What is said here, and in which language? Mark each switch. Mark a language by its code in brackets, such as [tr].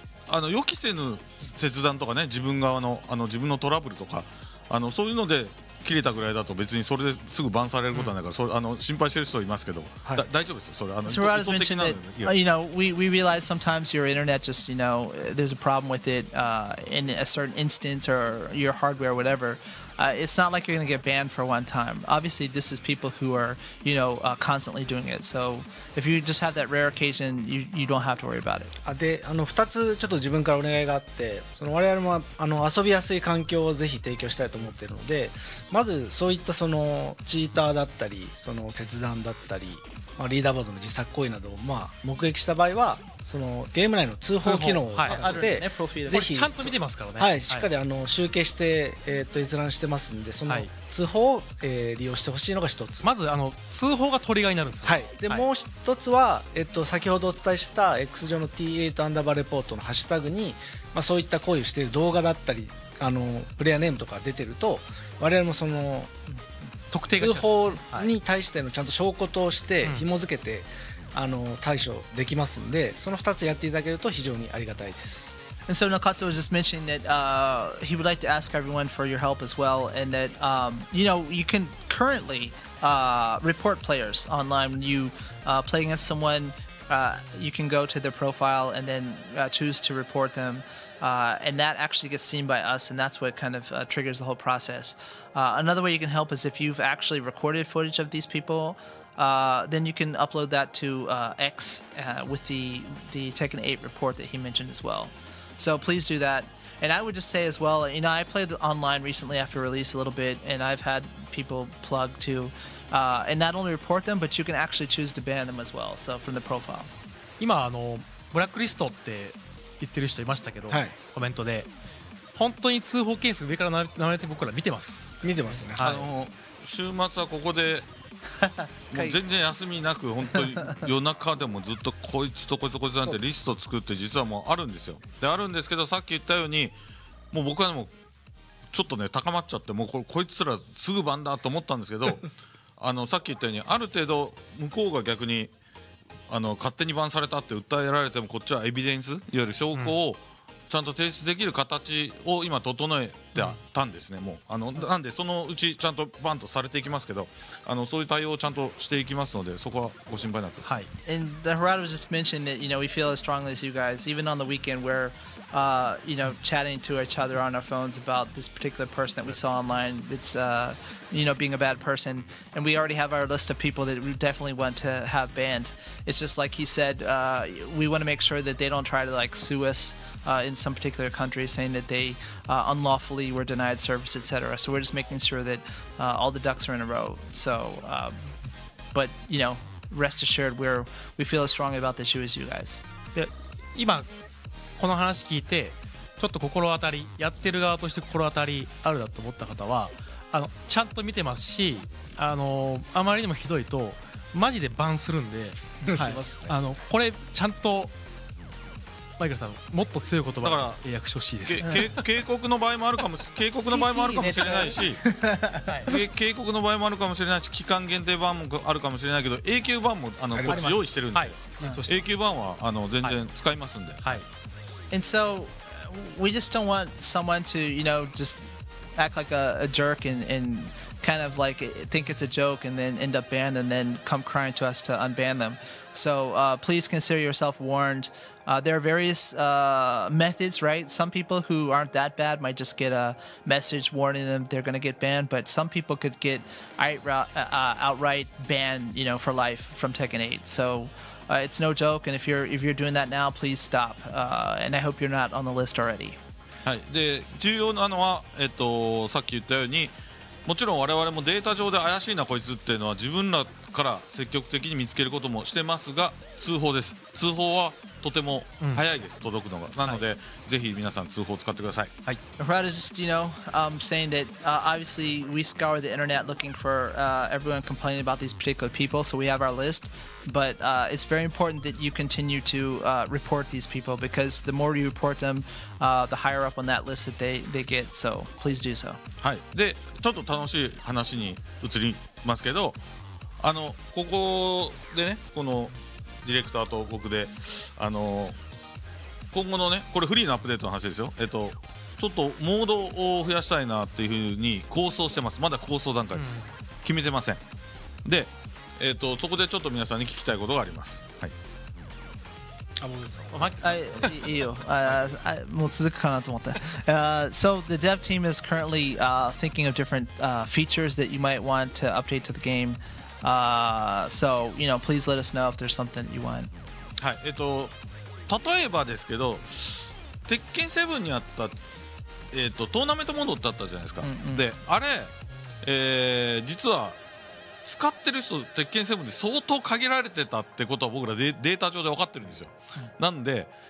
[ja] あの予期せぬ切断とかね、自分側 の自分のトラブルとか、あのそういうので切れたぐらいだと別にそれですぐバンされることはないから、それあの心配してる人いますけど、はい、大丈夫ですよ、それあの、 [en] so、 [ja] 意図的なので、 [en] you know, we realize sometimes your internet just, you know, there's a problem with it, in a certain instance or your hardware or whatever. It's not like you're going to get banned for one time. Obviously, this is people who are, you know, constantly doing it. So if you just have that rare occasion, you don't have to worry about it. [ja] で、あの、2つちょっと自分からお願いがあって、その我々もあの遊びやすい環境をぜひ提供したいと思っているので、まずそういったそのチーターだったり、その切断だったり、まあ、リーダーボードの自作行為などを、まあ、目撃した場合は、そのゲーム内の通報機能を使って、はい、ぜひちゃんと見てますからね、はい、しっかりあの集計して、閲覧してますんで、その通報を、利用してほしいのが一つ、まずあの通報がトリガーになるんですよ、はい、で、はい、もう一つは、先ほどお伝えした X 上の T8 アンダーバーレポートのハッシュタグに、まあ、そういった行為をしている動画だったりあのプレイヤーネームとかが出てると、我々もその特定通報に対してのちゃんと証拠として紐付けて、うん、あの対処できますんで、その2つやっていただけると非常にありがたいです。 [en] And so Nakatsu was just mentioning that he would like to ask everyone for your help as well, and that you know, you can currently report players online when you play against someone. You can go to their profile and then choose to report them, and that actually gets seen by us, and that's what kind of triggers the whole process. Another way you can help is if you've actually recorded footage of these peopleThen you can upload that to X with the Tekken 8 report that he mentioned as well. So please do that. And I would just say as well, you know, I played online recently after release a little bit, and I've had people plug to, and not only report them, but you can actually choose to ban them as well. So from the profile. [ja] 今あのブラックリストって言ってる人いましたけど、はい、コメントで本当に通報件数上から流れて僕ら見てます。見てますね。はい、あの週末はここで。もう全然休みなく、本当に夜中でもずっとこいつとこいつとこいつなんてリスト作って実はもうあるんですよ。であるんですけど、さっき言ったようにもう僕はもうちょっとね高まっちゃって、もうこいつらすぐバンだと思ったんですけど、あのさっき言ったようにある程度向こうが逆にあの勝手にバンされたって訴えられても、こっちはエビデンス、いわゆる証拠をちゃんと提出できる形を今整えてあったんですね、うん、もうあのなんでそのうちちゃんとバンとされていきますけど、あのそういう対応をちゃんとしていきますので、そこはご心配なく。はい。 [en] And the Harada was just mentioning that, you know, we feel as strongly as you guys, even on the weekend we're, you know, chatting to each other on our phones about this particular person that we saw online that's, you know, being a bad person. And we already have our list of people that we definitely want to have banned. It's just like he said, we want to make sure that they don't try to like sue us. In some particular country, saying that they unlawfully were denied service, etc. So we're just making sure that all the ducks are in a row. So, but you know, rest assured, we feel as strongly about the issue as you guys. [ja] で、今この話聞いてちょっと心当たり、やってる側として心当たりあるだと思った方は、あのちゃんと見てますし、あのあまりにもひどいとマジでバンするんで、はい、します、ね。あのこれちゃんと。マイケルさん、もっと強い言葉で訳してほしいです。警告の場合もあるかもし、警告の場合もあるかもしれないし警告の場合もあるかもしれないし、期間限定版もあるかもしれないけど、永久版もあのこっち用意してるんで、永久版はあの全然使いますんで、はい、 [en] And so we just don't want someone to, you know, just act like a jerk and kind of like think it's a joke and then end up banned and then come crying to us to unban them. So please consider yourself warned. There are various methods, right? Some people who aren't that bad might just get a message warning them they're going to get banned, but some people could get outright banned, you know, for life from Tekken 8. So it's no joke, and if you're doing that now, please stop. And I hope you're not on the list already. [ja] はい、で重要なのは、さっき言ったように、もちろん我々もデータ上で怪しいなこいつっていうのは自分らから積極的に見つけることもしてますが、通報です。通報はとても早いです、うん、届くのが。なので、はい、ぜひ皆さん通報を使ってください。はい、 [en] Harada just, you know, saying that obviously we scour the internet looking for everyone complaining about these particular people, so we have our list. But it's very important that you continue to report these people, because the more you report them, the higher up on that list that they get. So please do so. [ja] はい、でちょっと楽しい話に移りますけど、あのここでね、このディレクターと僕で、今後のね、これフリーのアップデートの話ですよ、ちょっとモードを増やしたいなっていうふうに構想してます。まだ構想段階で、うん、決めてません。で、そこでちょっと皆さんに聞きたいことがあります。はい、あ、もうですか。いいよ、もう続くかなと思って、 [en] So the dev team is currently thinking of different features that you might want to update to the gameSo, you know, please let us know if there's something you want. [ja] はい、例えばですけど、鉄拳7にあった、トーナメントモードってあったじゃないですか、うんうん、で、あれ、実は使ってる人、鉄拳7で相当限られてたってことは僕ら データ上で分かってるんですよ、うん、なんで、